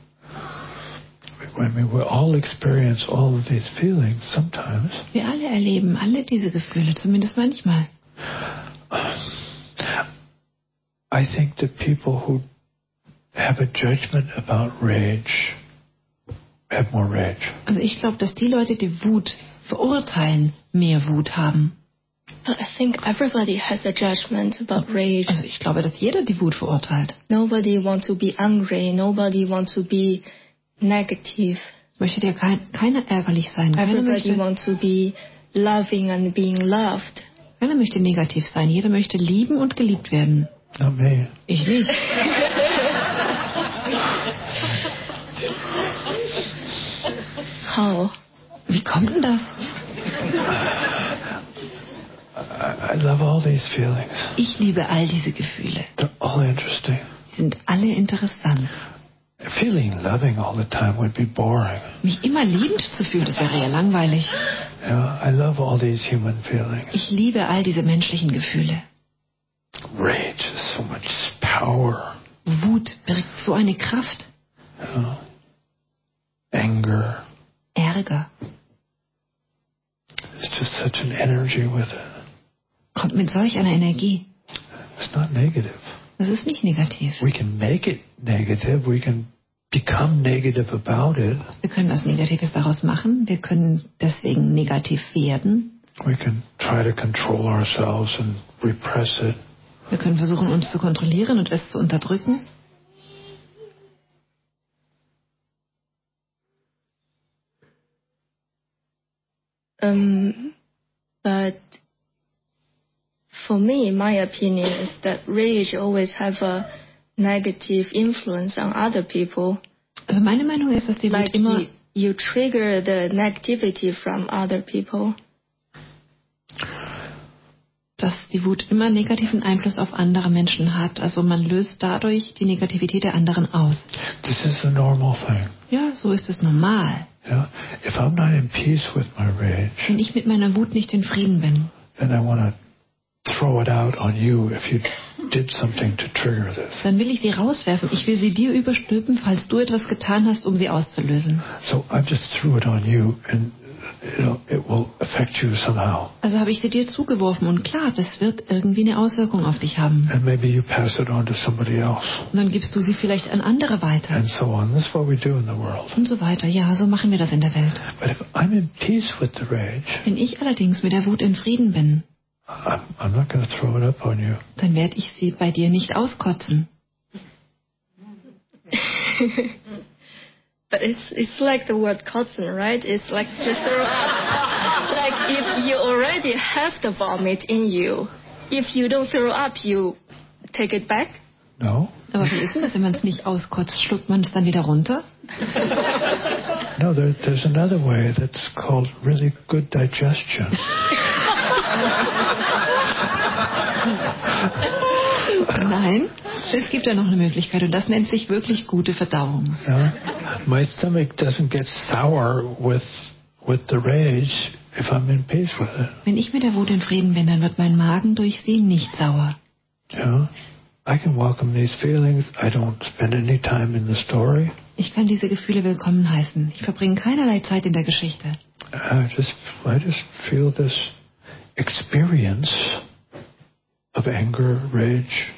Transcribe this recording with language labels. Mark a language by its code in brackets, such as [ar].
[en] I mean, we all experience all of these feelings sometimes. [de] Wir alle erleben alle diese Gefühle, zumindest manchmal. [en] I think that people who have a judgment about rage have more rage. [de] Also ich glaube, dass die Leute, die Wut verurteilen, mehr Wut haben. [en] But I think everybody has a judgment about rage. [de] Also ich glaube, dass jeder die Wut verurteilt. [en] Nobody wants to be angry. Nobody wants to be negative. [de] Möchte dir keiner ärgerlich sein. [en] Everybody wants to be loving and being loved. [de] Keiner möchte negativ sein. Jeder möchte lieben und geliebt werden. [en] Not me. [de] Ich nicht. [en] How? [de] Wie kommt denn das? [en] I love all these feelings. [de] Ich liebe all diese Gefühle. [en] They're all interesting. [de] Sie sind alle interessant. [en] Feeling loving all the time would be boring. [de] Mich immer liebend zu fühlen, das wäre ja langweilig. [en] Yeah, I love all these human feelings. [de] Ich liebe all diese menschlichen Gefühle. [en] Rage is so much power. [de] Wut birgt so eine Kraft. [en] Yeah. Anger. [de] Ärger. [en] It's just such an energy with it. [de] Kommt mit solch einer Energie. [en] It's not negative. [de] Das ist nicht negativ. [en] We can make it negative. We can become negative about it. [de] Wir können was Negatives daraus machen. Wir können deswegen negativ werden. [en] We can try to control ourselves and repress it. [de] Wir können versuchen, uns zu kontrollieren und es zu unterdrücken. [en] But for me, my opinion is that rage always have a negative influence on other people. [de] Also meine Meinung ist, dass die Wut immer... [en] You trigger the negativity from other people. [de] Dass die Wut immer negativen Einfluss auf andere Menschen hat. Also man löst dadurch die Negativität der anderen aus. [en] This is the normal thing. [de] Ja, so ist es normal. [en] Yeah. If I'm not in peace with my rage, [de] wenn ich mit meiner Wut nicht in Frieden bin, [en] then I want to throw it out on you if you did something to trigger this. [de] Dann will ich sie rauswerfen. Ich will sie dir überstülpen, falls du etwas getan hast, um sie auszulösen. [en] So I just threw it on you and it will affect you somehow. [de] Also habe ich sie dir zugeworfen und klar, das wird irgendwie eine Auswirkung auf dich haben. [en] And maybe you pass it on to somebody else. [de] Und dann gibst du sie vielleicht an andere weiter. [en] And so on. That's what we do in the world. [de] Und so weiter. Ja, so machen wir das in der Welt. [en] But if I'm in peace with the rage, [de] wenn ich allerdings mit der Wut in Frieden bin, [en] I'm not gonna throw it up on you. [de] Dann werde ich sie bei dir nicht auskotzen. [en] But it's like the word cousin, right? It's like to throw up. Like if you already have the vomit in you, if you don't throw up, you take it back? No. [de] Aber wie ist denn das, wenn man es nicht auskotzt, schluckt man es dann wieder runter? [en] No, there's another way that's called really good digestion. [de] Nein, es gibt ja noch eine Möglichkeit und das nennt sich wirklich gute Verdauung. [en] Yeah. My stomach doesn't get sour with the rage if I'm in peace with it. [de] Wenn ich mit der Wut in Frieden bin, dann wird mein Magen durch sie nicht sauer. [en] Yeah. I can welcome these feelings. I don't spend any time in the story. [de] Ich kann diese Gefühle willkommen heißen. Ich verbringe keinerlei Zeit in der Geschichte. [en] I just feel this experience of anger, rage.